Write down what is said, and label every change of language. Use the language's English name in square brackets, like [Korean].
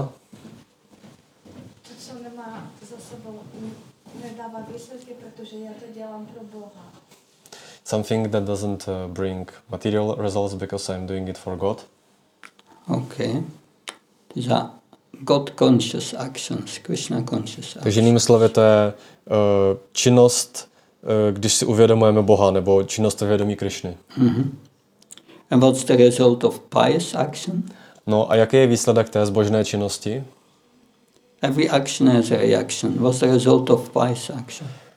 [Czech] To, co nemá za sebou, nedává výsledky, protože já to dělám pro Boha. [English] Something that doesn't bring material results because I'm doing it for God. Okay. These are God conscious actions, Krishna conscious actions. [Czech] Takže jinými slovy, to je činnost, když si uvědomujeme Boha, nebo činnost ve vědomí Krišny. [English] And what's the result of pious action? [Czech] No a jaký je výsledek té zbožné činnosti? [English] Every action has a reaction. What's the result of pious action?